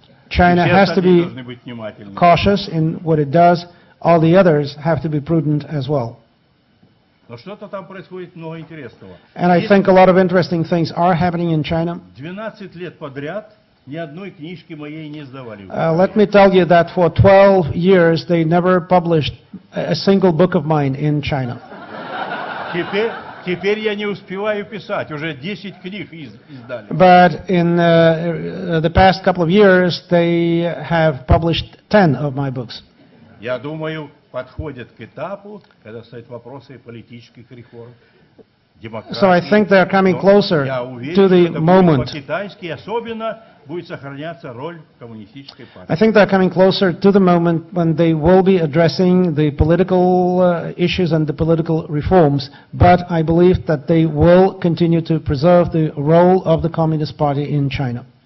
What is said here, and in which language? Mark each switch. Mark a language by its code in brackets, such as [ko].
[en] China has to be cautious in what it does. All the others have to be prudent as well. [ru] Но что-то там происходит много интересного. [en] And I think a lot of interesting things are happening in China. [ru] 12 лет подряд ни одной книжки моей не издавали. [en] Let me tell you that for 12 years they never published a single book of mine in China. [ru] Теперь я не успеваю писать, уже 10 книг издали. [en] But in the past couple of years they have published 10 of my books. [ru] Я думаю, подходит к этапу, когда стоят вопросы политических реформ, демократии. [en] So I think they are coming closer to the moment. [ru] По-китайски особенно будет сохраняться роль коммунистической партии. [en] I think they are coming closer to the moment when they will be addressing the political issues and the political reforms, but I believe that they will continue to preserve the role of the Communist Party in China.